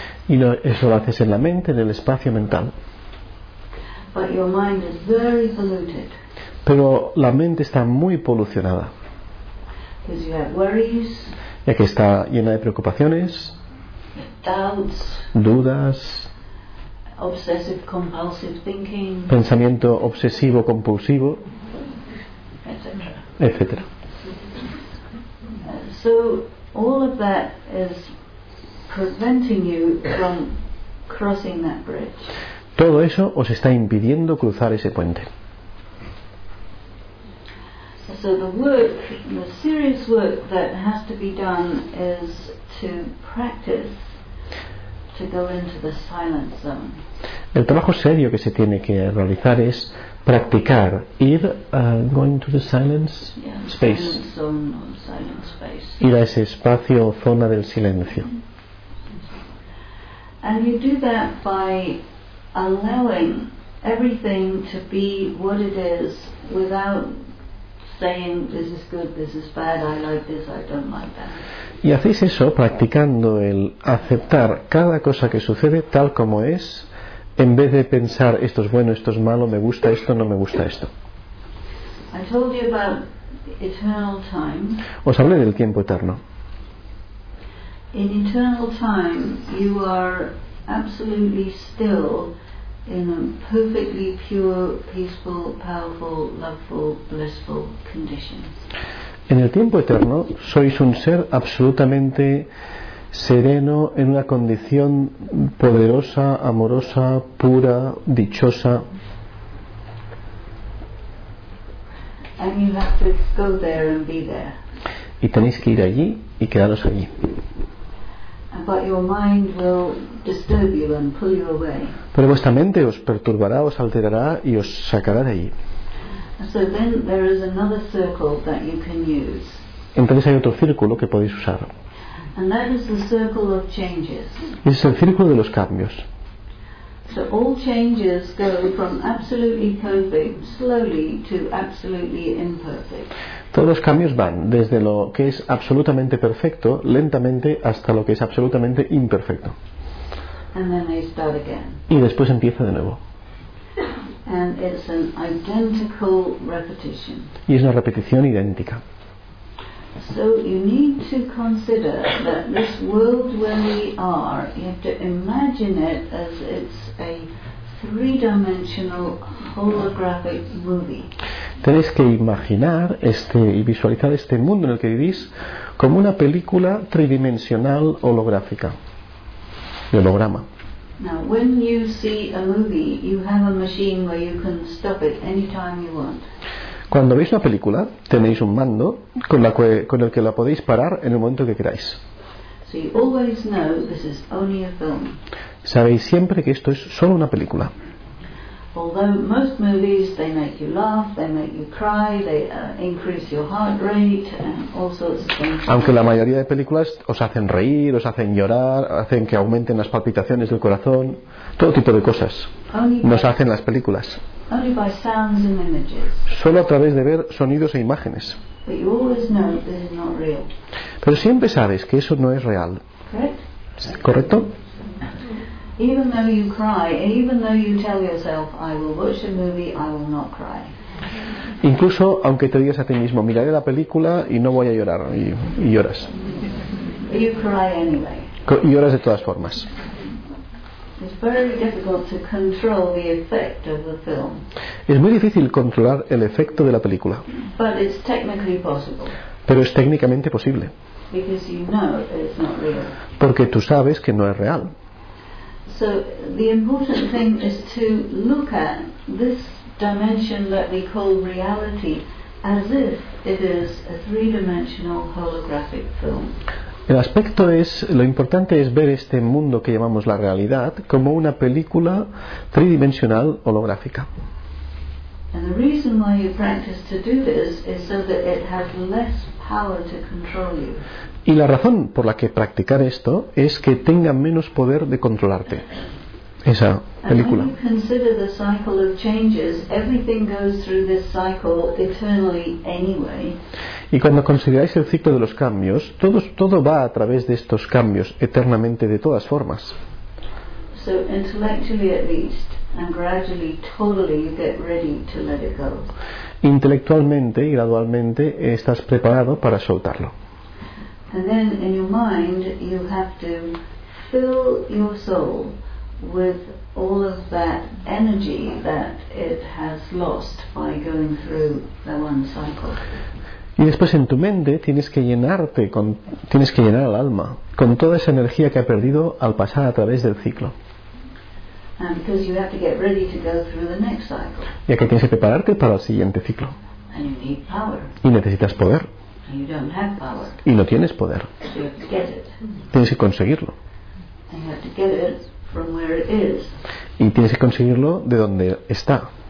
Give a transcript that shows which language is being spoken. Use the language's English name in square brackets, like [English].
[Spanish] Y eso lo haces en la mente, en el espacio mental. [English] But your mind is very polluted. [Spanish] Pero la mente está muy polucionada. [English] Because you have worries. [Spanish] Ya que está llena de preocupaciones. [English] Doubts. [Spanish] Dudas. [English] Obsessive compulsive thinking. [Spanish] Pensamiento obsesivo compulsivo. Etcétera. [English] So all of that is preventing you from crossing that bridge. [Spanish] Todo eso os está impidiendo cruzar ese puente. [English] So the work, the serious work that has to be done is to practice to go into the silent zone. [Spanish] El trabajo serio que se tiene que realizar es practicar ir [English] going to the silence space. Yeah, silent zone or silent space. [Spanish] Ir a ese espacio o zona del silencio. [English] And you do that by allowing everything to be what it is without saying this is good, this is bad, I like this, I don't like that. [Spanish] Y hacéis eso practicando el aceptar cada cosa que sucede tal como es, en vez de pensar esto es bueno, esto es malo, me gusta esto, no me gusta esto. [English] I told you about eternal time. [Spanish] Os hablé del tiempo eterno. [English] In eternal time you are absolutely still in a perfectly pure, peaceful, powerful, loveful, blissful condition. [Spanish] En el tiempo eterno sois un ser absolutamente sereno, en una condición poderosa, amorosa, pura, dichosa. [English] And you have to go there and be there. [Spanish] Y tenéis que ir allí y quedaros allí. [English] But your mind will disturb you and pull you away. [Spanish] Pero vuestra mente os perturbará, os alterará y os sacará de allí. [English] So then there is another circle that you can use. [Spanish] Entonces hay otro círculo que podéis usar. [English] And that is the circle of changes. [Spanish] Ese es el círculo de los cambios. [English] So all changes go from absolutely perfect slowly to absolutely imperfect. [Spanish] Todos los cambios van desde lo que es absolutamente perfecto, lentamente, hasta lo que es absolutamente imperfecto. [English] And then they start again. [Spanish] Y después empieza de nuevo. [English] And it's an identical repetition. [Spanish] Y es una repetición idéntica. [English] So you need to consider that this world where we are, you have to imagine it as it's a three-dimensional holographic movie. [Spanish] Tenéis que imaginar este y visualizar este mundo en el que vivís como una película tridimensional holográfica, de holograma. [English] Now, when you see a movie, you have a machine where you can stop it anytime you want. [Spanish] Cuando veis una película, tenéis un mando con el que la podéis parar en el momento que queráis. [English] So you always know this is only a film. [Spanish] Sabéis siempre que esto es solo una película. [English] Although most movies, they make you laugh, they make you cry, they increase your heart rate and all sorts of things. [Spanish] Aunque la mayoría de películas os hacen reír, os hacen llorar, hacen que aumenten las palpitaciones del corazón, todo tipo de cosas. Nos hacen las películas. [English] Only by sounds and images. [Spanish] Solo a través de ver sonidos e imágenes. [English] But you always know this is not real. [Spanish] Pero siempre sabes que eso no es real. [English] Correct? [Spanish] ¿Correcto? [English] Even though you cry, even though you tell yourself, I will watch a movie, I will not cry. [Spanish] Incluso aunque te digas a ti mismo, miraré la película y no voy a llorar, y lloras. [English] You cry anyway. [Spanish] Y lloras de todas formas. [English] It's very difficult to control the effect of the film. [Spanish] Es muy difícil controlar el efecto de la película. [English] But it's technically possible. [Spanish] Pero es técnicamente posible. [English] Because you know it's not real. [Spanish] Porque tú sabes que no es real. [English] So the important thing is to look at this dimension that we call reality as if it is a three-dimensional holographic film. [Spanish] El aspecto es, lo importante es ver este mundo que llamamos la realidad como una película tridimensional holográfica. [English] And the reason why you practice to do this is so that it has less power to control you. [Spanish] Y la razón por la que practicar esto es que tenga menos poder de controlarte esa película. [English] And when you consider the cycle of changes, everything goes through this cycle eternally anyway. [Spanish] Y cuando consideráis el ciclo de los cambios, todo va a través de estos cambios eternamente de todas formas. [English] So intellectually at least, and gradually, totally you get ready to let it go. [Spanish] Intelectualmente y gradualmente estás preparado para soltarlo. [English] And then in your mind you have to fill your soul with all of that energy that it has lost by going through the one cycle. [Spanish] Y después en tu mente tienes que llenar al alma con toda esa energía que ha perdido al pasar a través del ciclo. [English] And because you have to get ready to go through the next cycle. [Spanish] Ya que tienes que prepararte para el siguiente ciclo. [English] And you need power. [Spanish] Y necesitas poder. [English] And you don't have power. [Spanish] Y no tienes poder. [English] So you have to get it. [Spanish] Tienes que conseguirlo. [English] And you have to get it from where it is. [Spanish] Y tienes que conseguirlo de donde está.